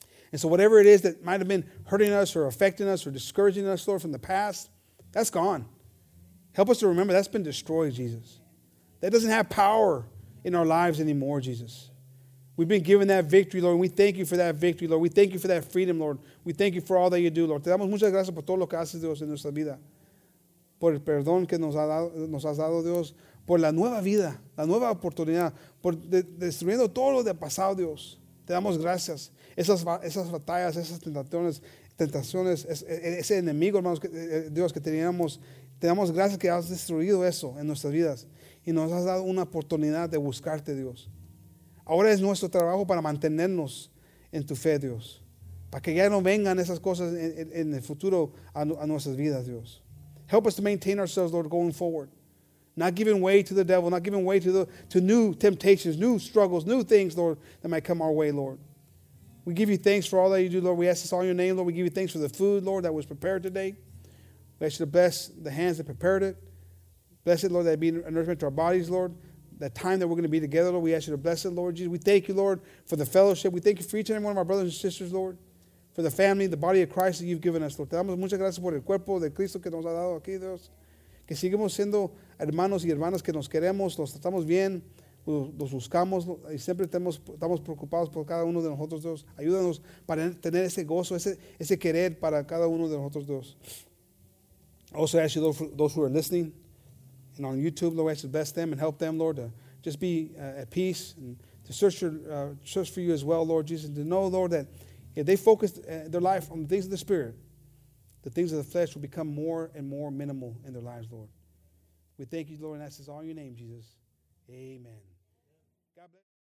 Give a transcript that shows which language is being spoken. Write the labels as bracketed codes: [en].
[en] And so whatever it is that might have been hurting us or affecting us or discouraging us, Lord, from the past, that's gone. Help us to remember that's been destroyed, Jesus. That doesn't have power in our lives anymore, Jesus. We've been given that victory, Lord, and we thank you for that victory, Lord. We thank you for that freedom, Lord. We thank you for all that you do, Lord. [es] Te damos muchas gracias por todo lo que haces, Dios, en nuestra vida. Por el perdón que nos has dado, Dios. Por la nueva vida, la nueva oportunidad. Por destruyendo todo lo del pasado, Dios. Te damos gracias. Esas batallas, esas tentaciones, ese enemigo, hermanos, Dios, que teníamos, te damos gracias que has destruido eso en nuestras vidas y nos has dado una oportunidad de buscarte, Dios. Ahora es nuestro trabajo para mantenernos en tu fe, Dios, para que ya no vengan esas cosas en el futuro a nuestras vidas, Dios. [en] Help us to maintain ourselves, Lord, going forward. Not giving way to the devil, not giving way to new temptations, new struggles, new things, Lord, that might come our way, Lord. We give you thanks for all that you do, Lord. We ask this all in your name, Lord. We give you thanks for the food, Lord, that was prepared today. We ask you to bless the hands that prepared it. Bless it, Lord, that it be a nourishment to our bodies, Lord. That time that we're going to be together, Lord, we ask you to bless it, Lord Jesus. We thank you, Lord, for the fellowship. We thank you for each and every one of our brothers and sisters, Lord, for the family, the body of Christ that you've given us, Lord. [es] Te damos muchas gracias por el cuerpo de Cristo que nos ha dado aquí, Dios. Que sigamos siendo hermanos y hermanas que nos queremos, los tratamos bien. Los buscamos y siempre estamos preocupados por cada uno de nosotros, Dios. Ayúdanos para tener ese gozo, ese querer para cada uno de nosotros, Dios. [en] Also, I ask you, those who are listening and on YouTube, Lord, I ask you to bless them and help them, Lord, to just be at peace and to search for you as well, Lord Jesus, and to know, Lord, that if they focus their life on the things of the Spirit, the things of the flesh will become more and more minimal in their lives, Lord. We thank you, Lord, and ask this all in your name, Jesus. Amen.